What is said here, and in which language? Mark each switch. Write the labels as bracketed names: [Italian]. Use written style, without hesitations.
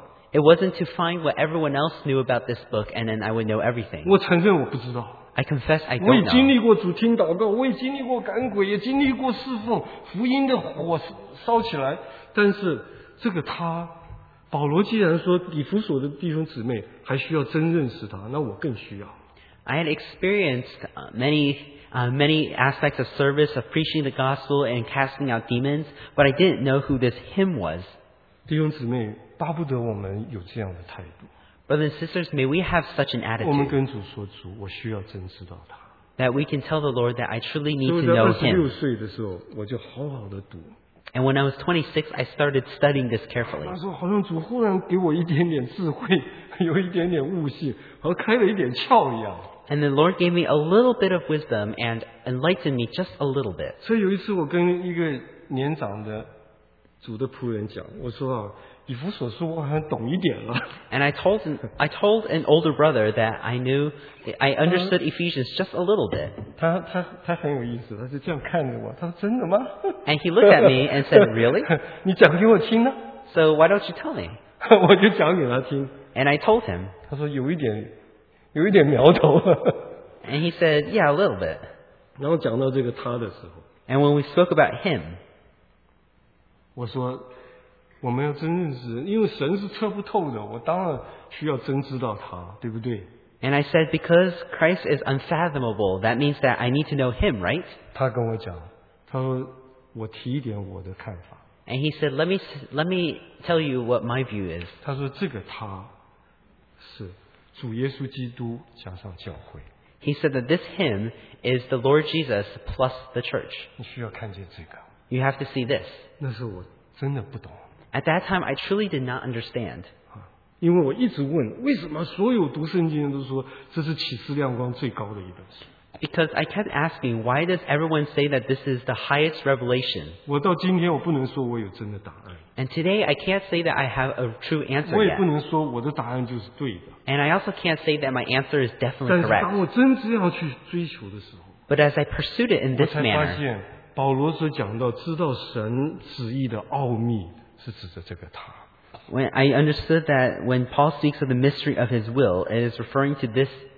[English] It wasn't to find what everyone else knew about this book and then I would know everything. I confess I don't know. [Chinese] 我也经历过主听祷告，我也经历过赶鬼，也经历过侍奉，福音的火烧起来，但是这个他。保罗既然说以弗所的弟兄姊妹还需要真认识他，那我更需要。 [English] I had experienced many aspects of service, of preaching the gospel and casting out demons, but I didn't know who this him was. [Chinese] 弟兄姊妹，巴不得我们有这样的态度。 [English] Brothers and sisters, may we have such an attitude. [Chinese] 我们跟主说，主，我需要真知道他。 [English] That we can tell the Lord that I truly need to know him. [Chinese] 所以在26岁的时候，我就好好的读。 [English] And when I was 26, I started studying this carefully. [Chinese] 他说：“好像主忽然给我一点点智慧，有一点点悟性，和开了一点窍一样。” [English] And the Lord gave me a little bit of wisdom and enlightened me just a little bit. [Chinese] 所以有一次我跟一个年长的主的仆人讲，我说：“以弗所书我好像懂一点了。” [English] And I told an older brother that I understood Ephesians just a little bit. [Chinese] 他很有意思，他就这样看着我，他说：“真的吗？” [English] And he looked at me and said, "Really?" [Chinese] 你讲给我听呢。 [English] So why don't you tell me? [Chinese] 我就讲给他听。 [English] And I told him. [Chinese] 他说有一点苗头。 [English] And he said, "Yeah, a little bit." [Chinese] 然后讲到这个他的时候 [English] ，and when we spoke about him， [Chinese] 我说我们要真认识，因为神是测不透的，我当然需要真知道他，对不对 [English] ？And I said because Christ is unfathomable, that means that I need to know him, right？ [Chinese] 他跟我讲，他说我提一点我的看法。 [English] And he said, let me tell you what my view is. [Chinese] 他说这个他是主耶稣基督加上教会。 [English] He said that this him is the Lord Jesus plus the church. [Chinese] 你需要看见这个。 [English] You have to see this. [Chinese] 那是我真的不懂。 [English] At that time, I truly did not understand. [Chinese] 因为我一直问，为什么所有读圣经人都说这是启示亮光最高的一本书。 [English] Because I kept asking, why does everyone say that this is the highest revelation? [Chinese] 我到今天我不能说我有真的答案。 [English] And today I can't say that I have a true answer yet. [Chinese] 我也不能说我的答案就是对的。 [English] And I also can't say that my answer is definitely correct. [Chinese] 但是当我真正要去追求的时候 [English] ，But as I pursued it in this manner, [Chinese] 我才发现保罗所讲到知道神旨意的奥秘是指着这个他。 [English] When I understood that when Paul speaks of the mystery of his will, it is referring to this.